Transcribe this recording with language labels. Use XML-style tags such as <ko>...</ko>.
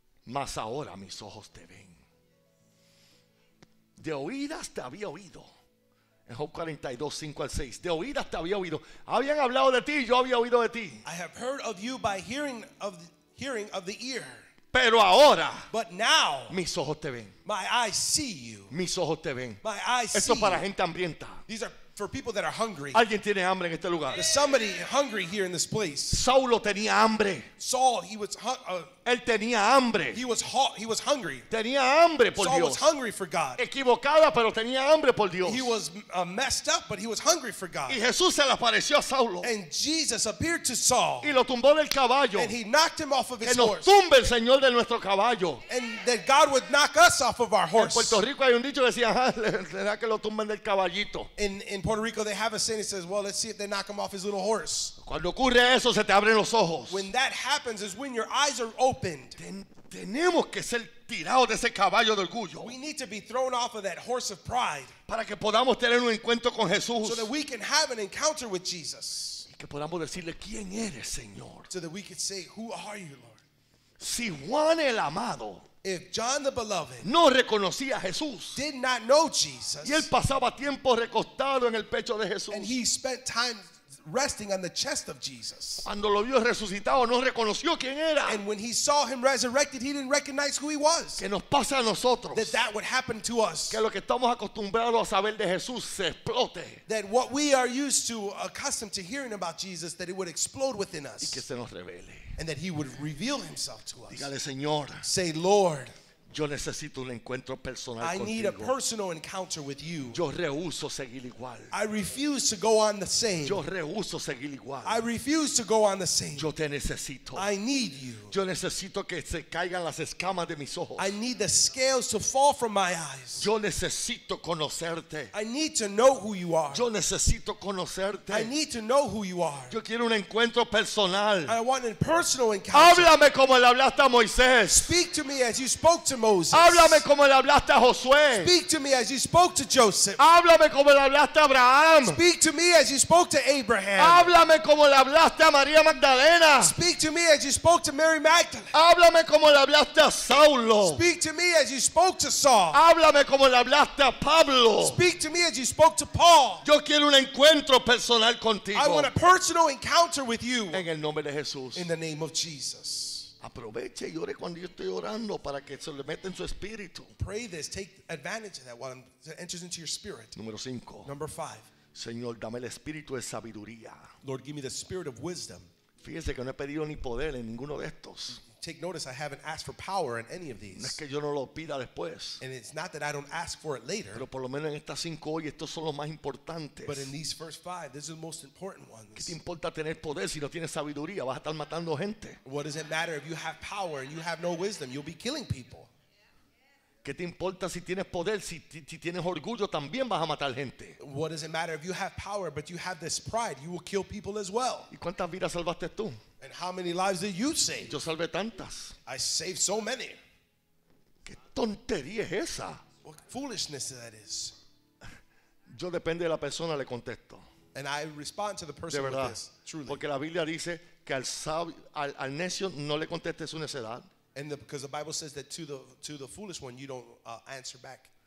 <es>Mas ahora mis ojos te ven. De oídas te había oído. En Job 42, 5 al 6. De oídas te había oído. Habían hablado de ti, yo había oído de ti.</es> <en>I have heard of you by hearing of the ear.</en> <es>Pero ahora.</es> <en>But now.</en> <es>Mis ojos te ven.</es> <en>My eyes see you.</en> <es>Mis ojos te ven.</es> <en>My eyes see you.</en> <es>Esto es para gente hambrienta.</es> <en>These are for people that are hungry.</en> <es>Alguien tiene hambre en este lugar.</es> <en>There's somebody hungry here in this place.</en> <es>Saulo tenía hambre.</es> <en>Saul, he was</en> <es>él tenía hambre.</es> <en>He was hungry.</en> <es>Tenía hambre por</es> <en>Saul</en> <es>Dios.</es> <en>Saul was hungry for God.</en> <es>Equivocada, pero tenía hambre por Dios.</es> <en>He was messed up, but he was hungry for God.</en> <es>Y Jesús se le apareció a Saulo.</es> <en>And Jesus appeared to Saul.</en> <es>Y lo tumbó del caballo.</es> <en>And he knocked him off of his horse.</en> <es>Que nos tumbe el Señor de nuestro caballo.</es> <en>And that God would knock us off of our horse.</en> <es>En Puerto Rico hay un dicho que decía, será que lo tumben del caballito.</es> <en>In Puerto Rico they have a saying that says, well, let's see if they knock him off his little horse.</en> <es>Cuando ocurre eso, se te abren los ojos.</es> <en>When that happens is when your eyes are opened.</en> <es>Tenemos que ser tirados de ese caballo de orgullo.</es> <en>We need to be thrown off of that horse of pride.</en> <es>Para que podamos tener un encuentro con Jesús.</es> <en>So that we can have an encounter with Jesus.</en> <es>Y que podamos decirle, ¿quién eres, Señor?</es> <en>So that we can say, who are you, Lord?</en> <es>Si Juan el Amado.</es> <en>If John the Beloved</en> <es>no reconocía a Jesús,</es> <en>did not know Jesus.</en> <es>Y él pasaba tiempo recostado en el pecho de Jesús.</es> <en>And he spent time resting on the chest of Jesus.</en> <es>Cuando lo vio resucitado, no reconoció quién era.</es> <en>And when he saw him resurrected, he didn't recognize who he was.</en> <es>Que nos pase a nosotros.</es> <en>That would happen to us.</en> <es>Que lo que estamos acostumbrados a saber de Jesús se explote.</es> <en>That what we are used to, accustomed to hearing about Jesus, that it would explode within us.</en> <es>Y que se nos revele.</es> <en>And that he would reveal himself to us.</en> <es>Dígale, Señor.</es> <en>Say, Lord.</en> <es>Yo necesito un encuentro personal</es> <en>I</en> <es>contigo.</es> <en>Need a personal encounter with you.</en> <es>Yo rehúso seguir igual.</es> <en>I refuse to go on the same.</en> <es>Yo rehúso seguir igual.</es> <en>I refuse to go on the same.</en> <es>Yo te necesito.</es> <en>I need you.</en> <es>Yo necesito que se caigan las escamas de mis ojos.</es> <en>I need the scales to fall from my eyes.</en> <es>Yo necesito conocerte.</es> <en>I need to know who you are.</en> <es>Yo necesito conocerte.</es> <en>I need to know who you are.</en> <es>Yo quiero un encuentro personal.</es> <en>I want a personal encounter.</en> <es>Háblame como le hablaste a Moisés.</es> <en>Speak to me as you spoke to Moses.</en> <es>Háblame como le hablaste a Josué.</es> <en>Speak to me as you spoke to Joseph.</en> <es>Háblame como le hablaste a Abraham.</es> <en>Speak to me as you spoke to Abraham.</en> <es>Háblame como le hablaste a María Magdalena.</es> <en>Speak to me as you spoke to Mary Magdalene.</en> <es>Háblame como le hablaste a Saulo.</es> <en>Speak to me as you spoke to Saul.</en> <es>Háblame como le hablaste a Pablo.</es> <en>Speak to me as you spoke to Paul.</en> <es>Yo quiero un encuentro personal contigo.</es> <en>I want a personal encounter with you.</en> <es>En el nombre de Jesús.</es> <en>In the name of Jesus.</en> <es>Aproveche y ore cuando yo estoy orando para que se le meta en su espíritu.</es> <en>Pray this, take advantage of that while it enters into your spirit.</en> <es>Número 5.</es> <en>Number 5.</en> <es>Señor, dame el espíritu de sabiduría.</es> <en>Lord, give me the spirit of wisdom.</en> <es>Fíjese que no he pedido ni poder en ninguno de estos.</es> <en>Take notice I haven't asked for power in any of these.</en> <es>No es que yo no lo pida después.</es> <en>And it's not that I don't ask for it later.</en> <es>Pero por lo menos en estas 5 hoy estos son los más importantes.</es> <en>But in these first 5, these are the most important ones.</en> <es>¿Qué te importa tener poder si no tienes sabiduría? Vas a estar matando gente.</es> <en>What does it matter if you have power and you have no wisdom? You'll be killing people.</en> <es>¿Qué te importa si tienes poder? Si tienes orgullo, también vas a matar gente.</es> <en>What does it matter if you have power but you have this pride? You will kill people as well.</en> <es>¿Y cuántas vidas salvaste tú?</es> <en>And how many lives did you save?</en> <es>Yo salvé tantas.</es> <en>I saved so many.</en> <es>¿Qué tontería es esa?</es> <en>What foolishness that is.</en> <es>Yo depende de la persona le contesto.</es> <en>And I respond to the person with this. Truly.</en> <es>Porque la Biblia dice que al necio no le conteste su necedad.</es> <en>And because the Bible says that to the foolish one you don't answer back.</en>